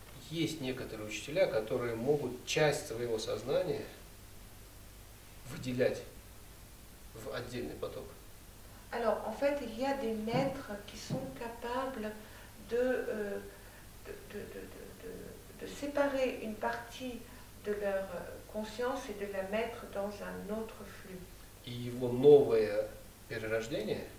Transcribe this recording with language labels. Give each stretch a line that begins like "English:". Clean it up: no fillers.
Russian: Есть некоторые учителя, которые могут часть своего сознания выделять в отдельный поток.
French: Alors, en fait, il y a des maîtres qui sont capables de séparer une partie de leur conscience et de la mettre dans un autre flux.
Russian: И его новое перерождение